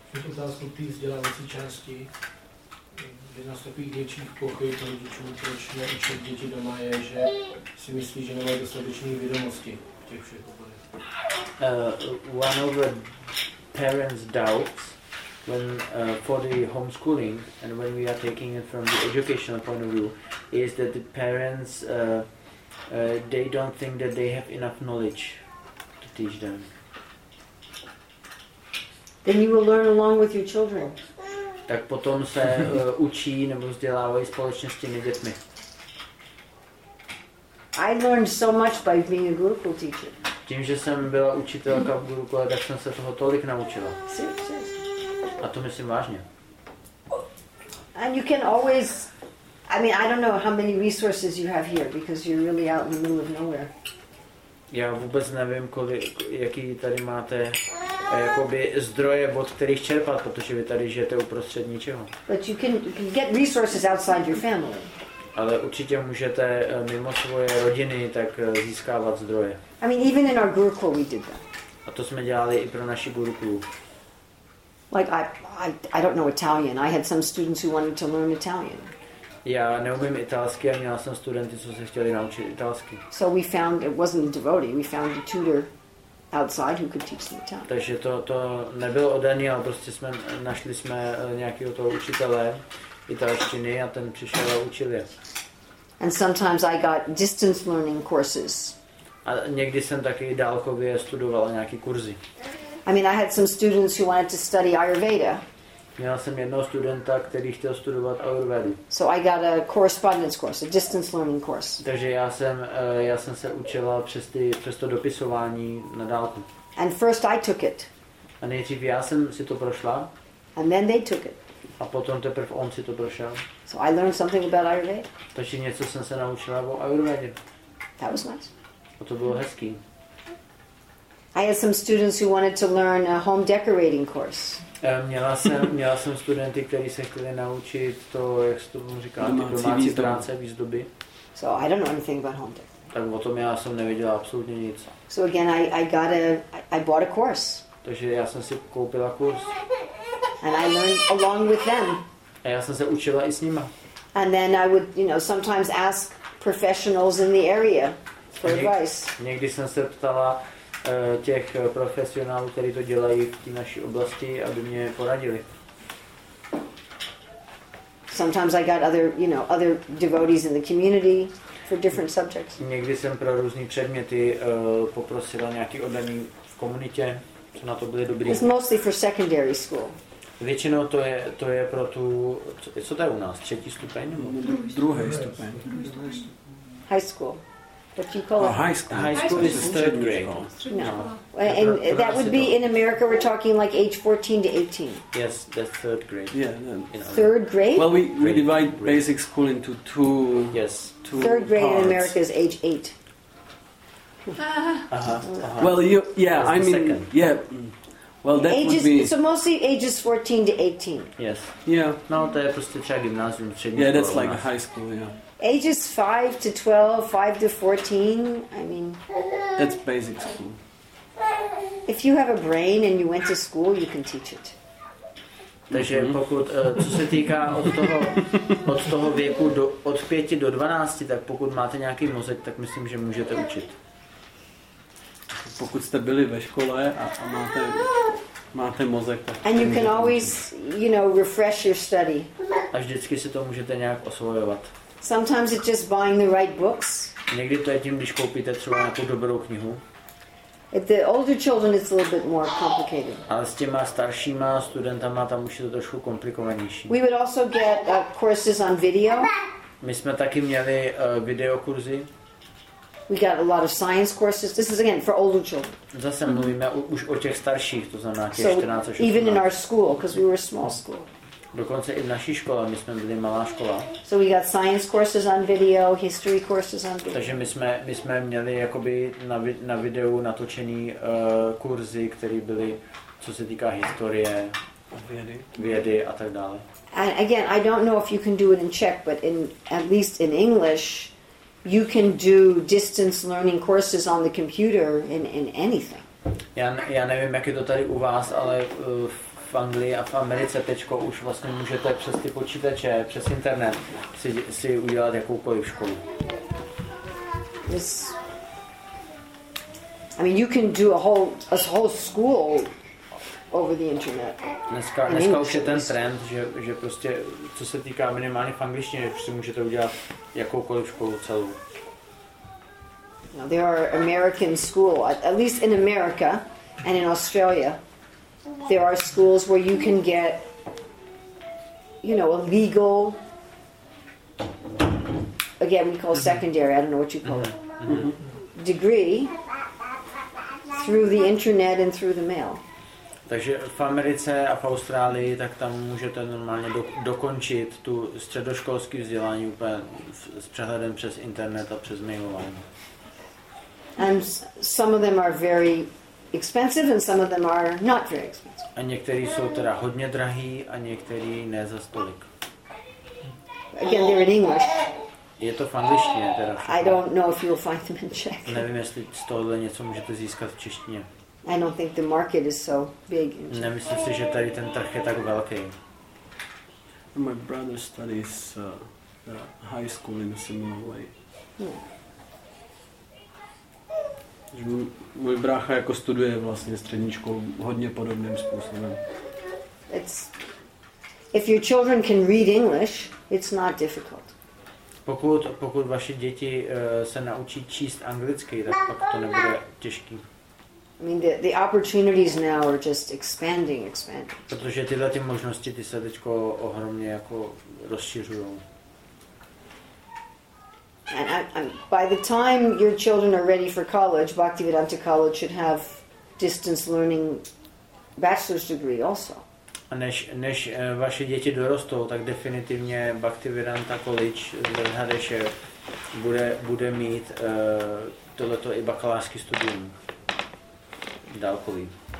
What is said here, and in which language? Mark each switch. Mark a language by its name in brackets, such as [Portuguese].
[Czech] Otázku té vzdělávací části, kdy nastoupí větších pochyb pro rodičů, proč neučit děti doma, je, že si myslí, že nemají dostatečné vědomosti v těch všech oborech. [English] One of the parents doubts when for the homeschooling and when we are taking it from the educational point of view is that the parents they don't think that they have enough knowledge to teach them. Then you will learn along with your children. [Czech] Tak potom se učí nebo vzdělávají společně s těmi dětmi. [English] I learned so much by being a Gurukul teacher. [Czech] Tím, že jsem byla učitelka v Gurukule, tak jsem se toho tolik naučila. A to myslím vážně. [English] And you can always, I mean, I don't know how many resources you have here because you're really out in the middle of nowhere. [Czech] Já vůbec nevím, kolik, jaký tady máte jakoby zdroje, od kterých čerpat, protože vy tady žijete uprostřed ničeho. [English] But you can get resources outside your family. [Czech] Ale určitě můžete mimo svoje rodiny tak získávat zdroje. [English] I mean, even in our Gurukul we did that. [Czech] A to jsme dělali i pro naši Gurukulu. [English] Like I don't know Italian. I had some students who wanted to learn Italian. [Czech] Já neumím italsky a měla jsem studenty, co se chtěli naučit italsky. [English] So we found it wasn't a devotee. We found a tutor outside who could teach them Italian. [Czech] Takže to nebylo od Dani, ale prostě našli jsme nějakého toho učitele italštiny a ten přišel a učil je. [English] And sometimes I got distance learning courses. [Czech] A někdy jsem taky dálkově studoval nějaký kurzy. [English] I mean, I had some students who wanted to study Ayurveda. [Czech] Měl jsem jednoho studenta, který chtěl studovat Ayurvedu. [English] So I got a correspondence course, a distance learning course. [Czech] Takže já jsem se učila přes to dopisování na dálku. [English] And first I took it. [Czech] A nejdřív já jsem si to prošla. [English] And then they took it. [Czech] A potom teprve on si to prošel. [English] So I learned something about Ayurveda. [Czech] Takže něco jsem se naučila o Ayurvedě. [English] That was nice. [Czech] A to bylo hezký. [English] I had some students who wanted to learn a home decorating course. [Czech] Měla jsem studenty, kteří se chtěli naučit to, jak se tomu říká, domácí práce, výzdoby. [English] So I don't know anything about home decorating. [Czech] Tak o tom já jsem nevěděla absolutně nic. [English] So again, I bought a course. [Czech] Takže já jsem si koupila kurz. [English] And I learned along with them. [Czech] A já jsem se učila i s nima. [English] And then I would, you know, sometimes ask professionals in the area for advice. [Czech] Někdy jsem se ptala těch profesionálů, kteří to dělají v té naší oblasti, aby mě poradili. [English] Sometimes I got other, you know, other devotees in the community for different subjects. [Czech] Někdy jsem pro různé předměty poprosila nějaký oddaný v komunitě, co na to byly dobrý. [English] It's mostly for secondary school. [Czech] Většinou to je pro tu, co to je u nás, třetí stupeň nebo druhý stupeň? [English] High school. What do you call it? High school is third grade. No. And that would be in America, we're talking like age 14 to 18. Yes, that's third grade. Yeah. Third grade? Well, we divide basic school into two. Yes. Two third grade parts. In America is age 8. Uh-huh. Well, you, yeah, that's I mean, second. Yeah. Well, that ages, would be... So mostly ages 14 to 18. Yes. Yeah. No, they're just a gymnasium. Yeah, that's like high school, yeah. Ages 5 to 12, 5 to 14, I mean... That's basic school. If you have a brain and you went to school, you can teach it. [Czech] Takže pokud, co se týká od toho věku od 5 do 12, tak pokud máte nějaký mozek, tak myslím, že můžete učit. Pokud jste byli ve škole a máte mozek, tak... [English] And you can always, you know, refresh your study. [Czech] A vždycky si to můžete nějak osvojovat. [English] Sometimes it's just buying the right books. [Czech] Někdy to je tím, když koupíte třeba nějakou dobrou knihu. [English] With the older children it's a little bit more complicated. [Czech] Ale s těma staršíma studentama tam už je to trošku komplikovanější. [English] We would also get courses on video. [Czech] My jsme taky měli videokurzy. [English] We got a lot of science courses. This is again for older children. [Czech] Zase mluvíme už o těch starších, to znamená těch 14 [English] so, even in our school, because we were a small school. [Czech] Dokonce i v naší škole, my jsme byli malá škola. [English] So we got science courses on video, history courses on video. [Czech] Takže my jsme měli jakoby na videu natočený kurzy, které byly, co se týká historie, vědy a tak dále. [English] And again, I don't know if you can do it in Czech, but in at least in English, you can do distance learning courses on the computer in anything. [Czech] Já nevím, jak je to tady u vás, ale v Anglii a v Americe tečko už vlastně můžete přes ty počítače, přes internet si udělat jakoukoliv školu. [English] This, I mean, you can do a whole school over the internet. [Czech] Dneska, dneska už je ten trend, že prostě, co se týká minimálně v angličtině, že si můžete udělat jakoukoliv školu celou. [English] Now, there are American schools, at least in America and in Australia, there are schools where you can get, you know, a legal, again, we call secondary, I don't know what you call it, degree through the internet and through the mail. [Czech] Takže v Americe a v Austrálii, tak tam můžete normálně dokončit tu středoškolské vzdělání úplně s přehledem přes internet a přes mailování. [English] And some of them are very expensive and some of them are not very expensive. [Czech] A některý jsou teda hodně drahý a některý ne za stolik. [English] Again, they're in English. [Czech] Je to v angličtině teda. [English] I don't know if you'll find them in Czech. [Czech] Nevím, jestli z tohohle něco můžete získat v češtině. [English] I don't think the market is so big. [Czech] Nemyslím si, že tady ten trh je tak velký. [English] My brother studies high school in a similar way. [Czech] Můj brácha jako studuje vlastně střední školu hodně podobným způsobem. [English] If your children can read English, it's not difficult. [Czech] Pokud vaše děti se naučí číst anglicky, tak pak to nebude těžký. [English] I mean the opportunities now are just expanding. [Czech] Protože tyhle ty možnosti ty se teďko ohromně jako rozšiřujou. [English] And by the time your children are ready for college, Bhaktivedanta College should have distance learning bachelor's degree also. [Czech] A než vaše děti dorostou, tak definitivně Bhaktivedanta College v Bangladeshi bude mít tohleto i bakalářský studium dálkový.